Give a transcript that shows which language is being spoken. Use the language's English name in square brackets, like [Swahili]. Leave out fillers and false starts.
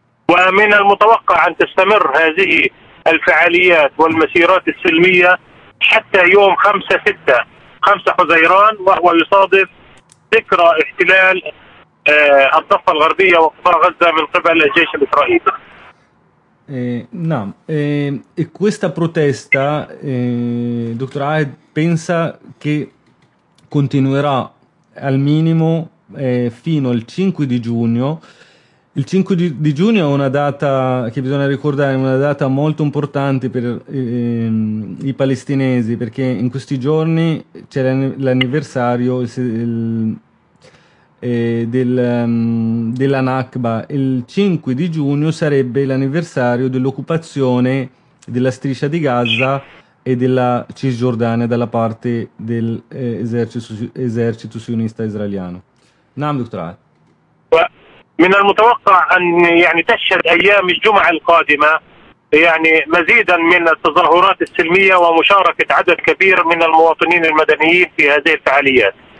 [Arabic] ومن المتوقع أن تستمر هذه الفعاليات والمسيرات السلمية حتى يوم 5 حزيران، وهو يصادف ذكرى احتلال الضفة الغربية وقطاع غزة من قبل الجيش الإسرائيلي. نعم [Italian] questa protesta dottor Ahed pensa che continuerà al minimo fino al 5 di giugno. Il 5 di giugno è una data che bisogna ricordare, una data molto importante per i palestinesi, perché in questi giorni c'è l'anniversario della Nakba. Il 5 di giugno sarebbe l'anniversario dell'occupazione della striscia di Gaza e della Cisgiordania dalla parte dell'esercito sionista israeliano. [Arabic] نعم دكتور عاد. من المتوقع أن يعني تشهد أيام الجمعة القادمة يعني مزيدا من التظاهرات السلمية ومشاركة عدد كبير من المواطنين المدنيين في هذه الفعاليات.